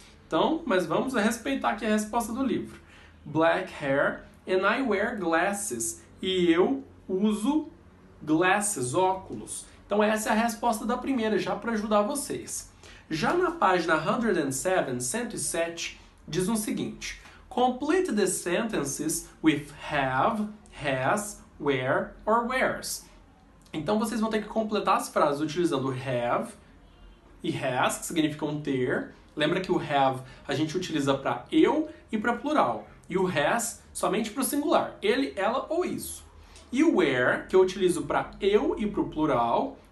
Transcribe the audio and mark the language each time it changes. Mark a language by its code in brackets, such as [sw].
[pt] Então, mas vamos respeitar aqui a resposta do livro. [en] Black hair and I wear glasses. [pt] E eu uso glasses, óculos. Então essa é a resposta da primeira, já para ajudar vocês. Já na página 107, diz o seguinte. [en] Complete the sentences with have, has, where or wears. [pt] Então vocês vão ter que completar as frases utilizando have e has, que significam ter. Lembra que o have a gente utiliza para eu e para plural. E o has somente para o singular. Ele, ela ou isso. E o where, que eu utilizo para eu e para o plural.